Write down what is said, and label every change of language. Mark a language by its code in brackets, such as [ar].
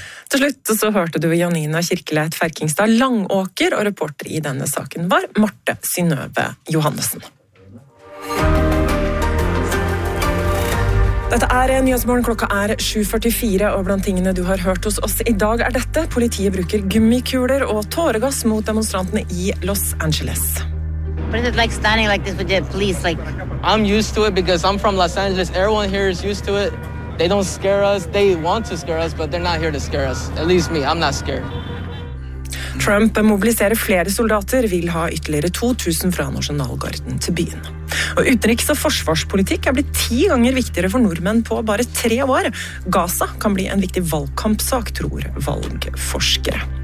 [no] Til slutt så hørte du Janina Kirkeleit Ferkingstad Langåker, og reporter i denne saken var Marte Synnøve Johannesen. Dette Nyhetsmorgen, klokka 7.44, og blant tingene du har hørt hos oss i dag dette. Politiet bruker gummikuler og tåregass mot demonstrantene i Los Angeles. [en] What is it like standing like this with the police? Like, I'm used to it because I'm from Los Angeles. Everyone here is used to it. They don't scare us. They want to scare us, but they're not here to scare us. At least me, I'm not scared. [no] Trump mobiliserer flere soldater, vil ha ytterligere 2000 fra Nasjonalgarden til byen. Og utenriks- og forsvarspolitikk blitt 10 ganger viktigere for nordmenn på bare 3 år. Gaza kan bli en viktig valgkampsak, tror valgforskere.